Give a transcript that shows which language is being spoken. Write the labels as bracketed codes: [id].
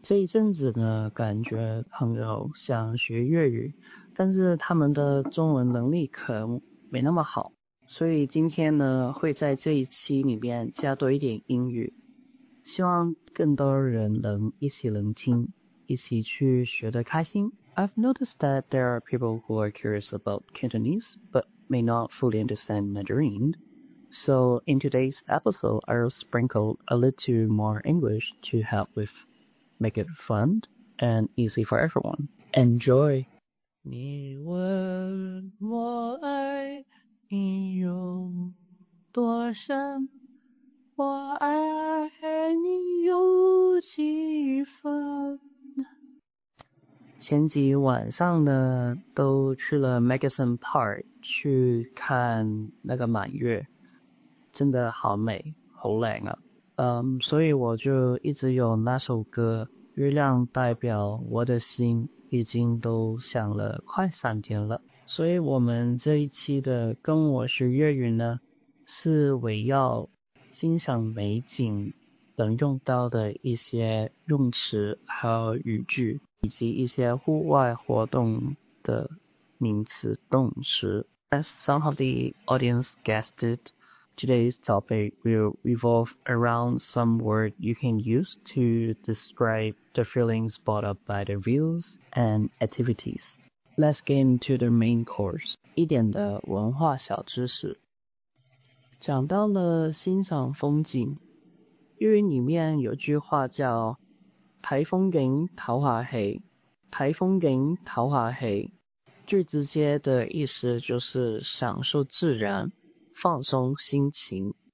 [zh] 这一阵子呢，感觉朋友想学粤语，但是他们的中文能力可能没那么好，所以今天呢会在这一期里面加多一点英语，希望更多人能一起聆听，一起去学得开心。 [en] I've noticed that there are people who are curious about Cantonese but may not fully understand Mandarin. So in today's episode, I'll sprinkle a little more English to help with make it fun and easy for everyone. Enjoy! [zh] 你问我爱你有多深，我爱你有几分。前几晚上呢都去了 Madison Park 去看那个满月，真的好美好靓啊。所以我就一直有那首歌月亮代表我的心，已经都响了快三天了。所以我们这一期的跟我学粤语呢，是围绕欣赏美景能用到的一些用词还有语句，以及一些户外活动的名词动词。 [en] As some of the audience guessed it, today's topic will revolve around some word you can use to describe the feelings brought up by the views and activities. Let's get into the main course. [zh] 一点的文化小知识，讲到了欣赏风景，粤语里面有句话叫台风景桃花黑，台风景桃花黑，最直接的意思就是享受自然，放松心情。